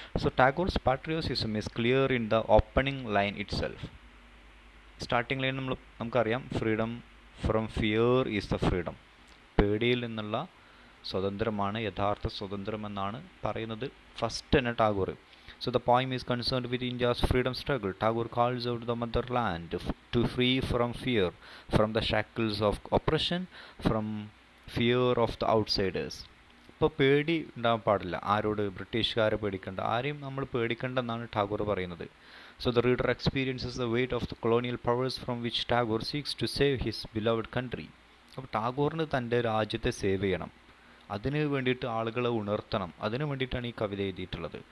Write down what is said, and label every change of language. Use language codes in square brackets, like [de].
[en] So Tagore's patriotism is clear in the opening line itself. Starting line [ml] നമുക്കറിയാം, [en] Freedom from fear is the freedom. [ml] പേടിയിൽ നിന്നുള്ള സ്വതന്ത്രമാണ് യഥാർത്ഥ സ്വതന്ത്രം എന്നാണ് പറയുന്നത് ഫസ്റ്റ് തന്നെ Tagore. [en] So the poem is concerned with India's freedom struggle. Tagore calls out the motherland to free from fear, from the shackles of oppression, from fear of the outsiders. [ml] ഇപ്പോൾ പേടി ഉണ്ടാകാൻ പാടില്ല, ആരോട് ബ്രിട്ടീഷുകാരെ പേടിക്കേണ്ട, ആരെയും നമ്മൾ പേടിക്കേണ്ട എന്നാണ് ടാഗോർ പറയുന്നത്. [en] So the reader experiences the weight of the colonial powers from which Tagore seeks to save his beloved country. [ml] അപ്പോൾ ടാഗോറിന് തൻ്റെ രാജ്യത്തെ സേവ് ചെയ്യണം, അതിന് വേണ്ടിയിട്ട് ആളുകളെ ഉണർത്തണം, അതിന് വേണ്ടിയിട്ടാണ് ഈ കവിത എഴുതിയിട്ടുള്ളത്.